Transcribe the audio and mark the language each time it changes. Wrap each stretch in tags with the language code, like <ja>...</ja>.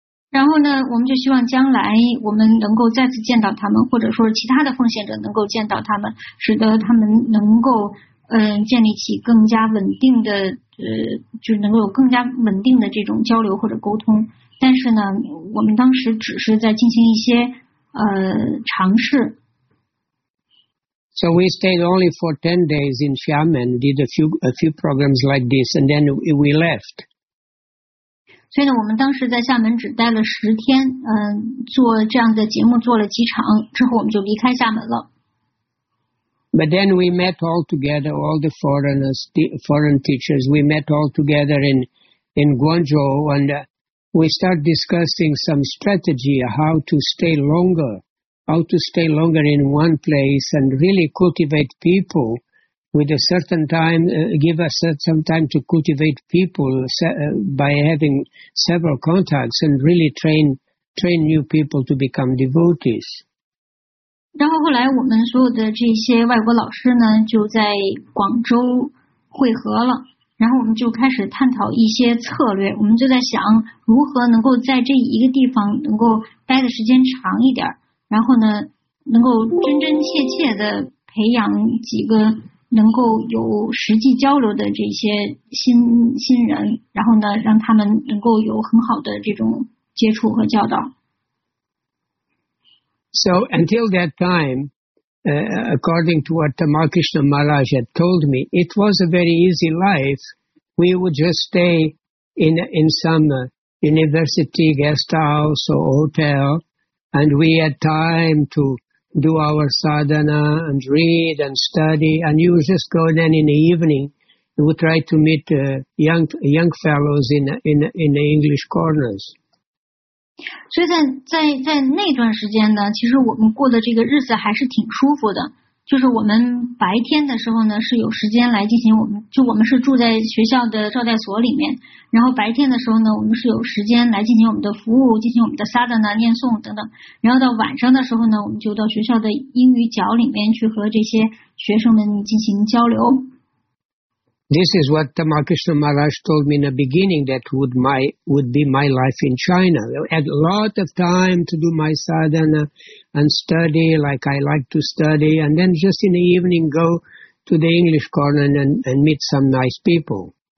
<zh>然后呢我们就希望将来我们能够再次见到他们，或者说其他的奉献者能够见到他们，使得他们能够建立起更加稳定的就能够有更加稳定的这种交流或者沟通。但是呢我们当时只是在进行一些尝试。</zh> <en>So we stayed only for 10 days in Xiamen, did a few programs like this, and then we left.</en> <zh>所以呢我们当时在厦门只待了10天，做这样的节目做了几场之后我们就离开厦门了。</zh> <en>But then we met all together, all the foreigners, the foreign teachers, we met all together in Guangzhou, and we start discussing some strategy, how to stay longer in one place and really cultivate people. With a certain time, give us some time to cultivate people by having several contacts and really train new people to become devotees.</en> <zh>然后后来我们所有的这些外国老师呢就在广州会合了，然后我们就开始探讨一些策略，我们就在想如何能够在这一个地方能够待的时间长一点，然后呢能够真真切切的培养几个能够有实际交流的这些新人，然后呢让他们能够有很好的这种接触和教导。</zh> <en>So until that time, according to what Tamakrishna Maharaj had told me, it was a very easy life. We would just stay in some university guest house or hotel, and we had time to. Do our sadhana and read and study, and you just go then in the evening. We try to meet young fellows in the English corners.</en> <zh>所以在那段时间呢，其实我们过的这个日子还是挺舒服的。就是我们白天的时候呢，是有时间来进行我们是住在学校的招待所里面，然后白天的时候呢，我们是有时间来进行我们的服务，进行我们的sadhana念诵等等，然后到晚上的时候呢，我们就到学校的英语角里面去和这些学生们进行交流。</zh> <en>This is what Tamakrishna Maharaj told me in the beginning that would be my life in China. I had a lot of time to do my sadhana and study like I like to study, and then just in the evening go to the English corner and meet some nice people.</en>